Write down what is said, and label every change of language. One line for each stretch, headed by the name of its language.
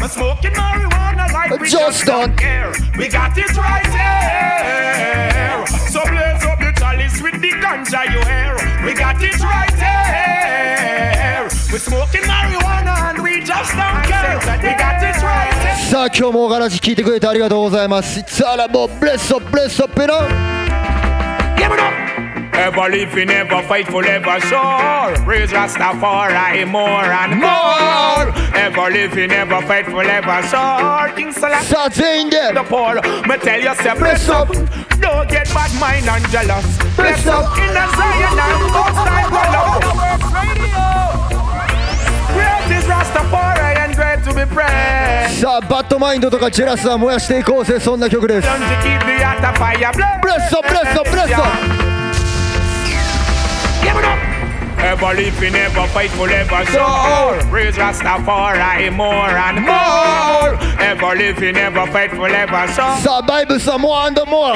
English: We're smoking marijuana. We just don't care. We got it right here. So blaze up the chalice with the ganja you hear. We got it right here. We're smoking marijuana and we just don't care. We got it right here.
Japanese: さあ今日もお話聞いてくれてありがとうございます。
English: It's all about bless up, bless up, you know. Give it up. Ever living, ever fightful, ever sure. Praise Rastafari more and more. Ever living, ever fightful, ever sure. King Selassie, the poor. Me tell yourself, bless up. Don't get bad mind and jealous. Bless up. In the Zion and God's time for love. Great is Rastafari and great to be praised.
Japanese: さあ、バッドマインドとかジェラスは燃やしていこうぜ、そんな曲です。
English: Don't you keep me at the fire, bless up, bless up, bless up, bless up. Ever living, ever fightful, ever sure. Praise Rastafari more and more. Ever living, ever fightful, ever sure. So Bible some more and more.